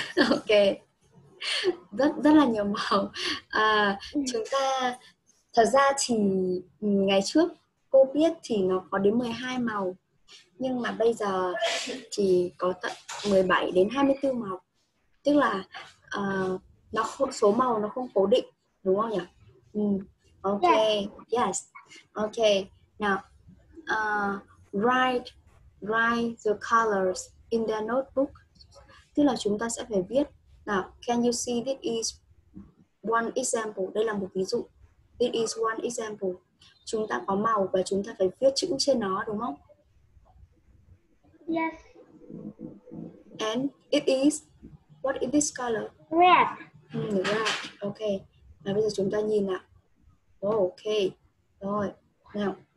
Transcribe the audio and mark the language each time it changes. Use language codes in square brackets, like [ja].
[vi] Ok, rất là nhiều màu. Chúng ta thật ra thì ngày trước cô biết thì nó có đến 12 màu, nhưng mà bây giờ thì có tận 17 đến 24 màu. Tức là nó không, số màu nó không cố định, đúng không nhỉ? [en] Okay, yes. Okay, now write the colors in the notebook. [vi] Tức là chúng ta sẽ phải viết. [en] Now, can you see this is one example? [vi] Đây là một ví dụ. [en] This is one example. [vi] Chúng ta có màu và chúng ta phải viết chữ trên nó, đúng không? [en] Yes. And it is, what is this color? Red. Red. Okay. [vi] Và bây giờ chúng ta nhìn nào. Okay. Rồi. Nào.